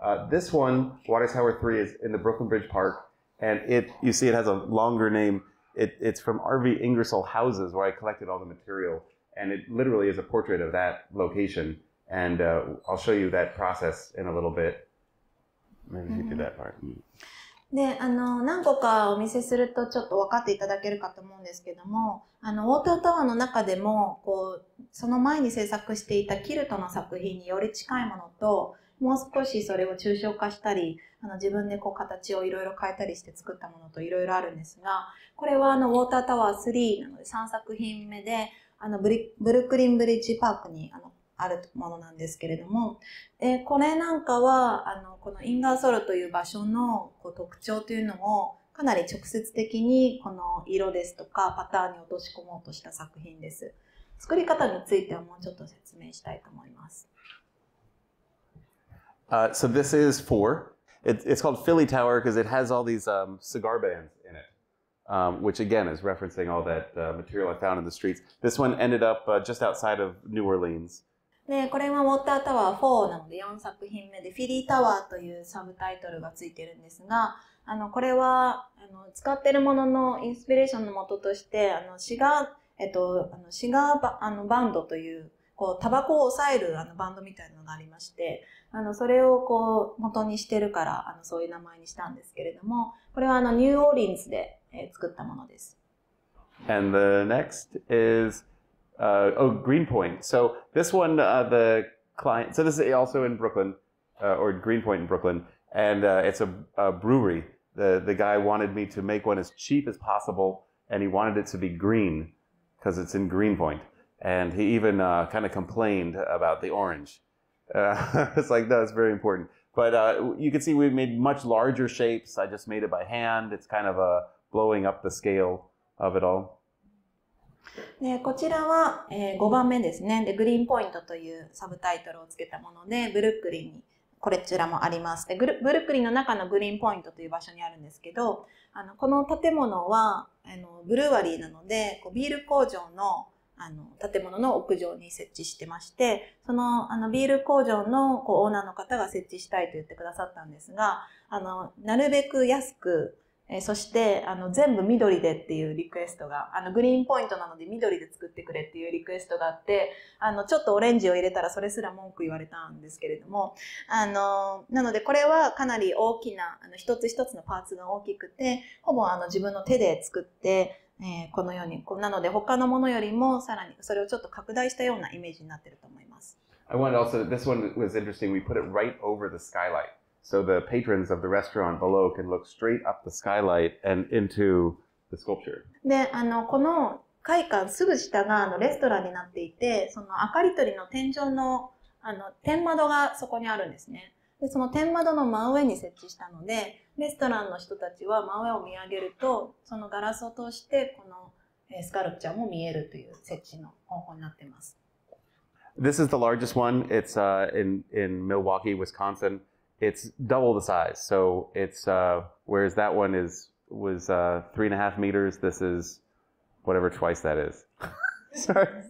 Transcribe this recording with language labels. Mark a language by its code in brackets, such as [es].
[en] This one, Water Tower 3, is in the Brooklyn Bridge Park, and it, you see it has a longer name. It's from R.V. Ingersoll Houses, where I collected all the material, and it literally is a portrait of that location, and I'll show you that process in a little bit. Maybe you do that part. [ja] で、あの何個かお見せするとちょっと分かっていただけるかと思うんですけども、あのウォータータワーの中でもこうその前に制作していたキルトの作品により近いものと、もう少しそれを抽象化したり、あの自分でこう形をいろいろ変えたりして作ったものといろいろあるんですが、これはあのウォータータワー3なので3作品目で、あのブルックリンブリッジパークにあるものなんですけれども、これなんかはあのこのインガーソルという場所のこう特徴というのをかなり直接的にこの色ですとかパターンに落とし込もうとした作品です。作り方についてはもうちょっと説明したいと思います。 [en] So this is 4. It's called Philly Tower because it has all these cigar bands in it, which again is referencing all that material I found in the streets. This one ended up just outside of New Orleans [ja] で、これはウォータータワー4なので4作品目で、フィリータワーというサブタイトルがついてるんですが、あのこれはあの使ってるもののインスピレーションの元として、あのシガーバンドというこうタバコを抑えるあのバンドみたいなのがありまして、あのそれをこう元にしてるから、あのそういう名前にしたんですけれども、これはあのニューオーリンズで作ったものです。 [en] And the next isGreenpoint. So this one, the client, so this is also in Brooklyn, or Greenpoint in Brooklyn, and it's a brewery. The guy wanted me to make one as cheap as possible, and he wanted it to be green because it's in Greenpoint. And he even kind of complained about the orange. It's like, no, it's very important. But you can see we've made much larger shapes. I just made it by hand. It's kind of a blowing up the scale of it all. [ja] でこちらは、5番目ですね。で、グリーンポイントというサブタイトルをつけたもので、ブルックリンにこれちらもあります。で、ブルックリンの中のグリーンポイントという場所にあるんですけど、この建物はブルワリーなので、ビール工場 の建物の屋上に設置してまして、そのビール工場のオーナーの方が設置したいと言ってくださったんですが、なるべく安く、そして全部緑でっていうリクエストがグリーンポイントなので緑で作ってくれっていうリクエストがあってちょっとオレンジを入れたらそれすら文句言われたんですけれどもなのでこれはかなり大きな一つ一つのパーツが大きくてほぼ自分の手で作って、このようになので他のものよりもさらにそれをちょっと拡大したようなイメージになっていると思います。 [en] I wanted also, this one was interesting. We put it right over the skylightSo the patrons of the restaurant below can look straight up the skylight and into the sculpture. [ja] で、この会館すぐ下がレストランになっていて、その明かり取りの天井の天窓がそこにあるんですね。で、その天窓の真上に設置したので、レストランの人たちは真上を見上げると、そのガラスを通してこのスカルプチャーも見えるという設置の方法になっています。 [en] This is the largest one. It's in Milwaukee, Wisconsin. It's double the size, so it's, whereas that one was 3.5 meters, this is whatever twice that is. Sorry.